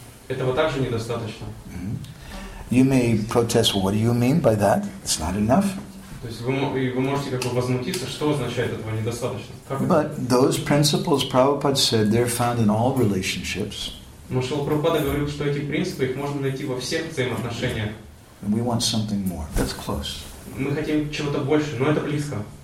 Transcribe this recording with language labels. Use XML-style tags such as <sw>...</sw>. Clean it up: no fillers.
<ru>Этого также недостаточно.</ru> <en>You may protest. What do you mean by that? It's not enough.</en> <ru>То есть вы можете как бы возмутиться, что означает этого недостаточно?</ru> <en>But those principles, Prabhupada said, they're found in all relationships.</en> <ru>Но Шрила Прабхупада говорил, что эти принципы их можно найти во всех взаимоотношениях.</ru> <en>We want something more. That's close.</en> <ru>Мы хотим чего-то больше, но это близко.</ru>